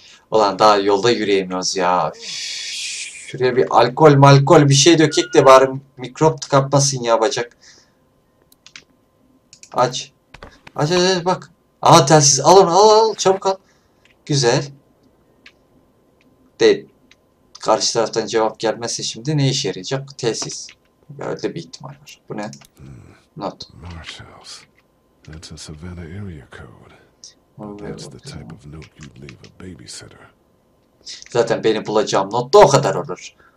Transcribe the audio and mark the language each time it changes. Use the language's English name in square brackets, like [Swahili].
[Turkish] Ulan daha yolda yürüyemiyoruz ya. Şuraya bir alkol malkol bir şey dökek de bari mikrop kapmasın ya bacak. Aç. Aç aç bak. Aha telsiz. Al onu al al. Çabuk al. Güzel. De karşı taraftan cevap gelmezse şimdi ne işe yarayacak? Telsiz. Böyle bir ihtimal var. Bu ne? Not. [English] Marshals. That's a Savannah area code. That's the type of note you'd leave a babysitter. [Turkish] Zaten beni bulacağım not da o kadar olur.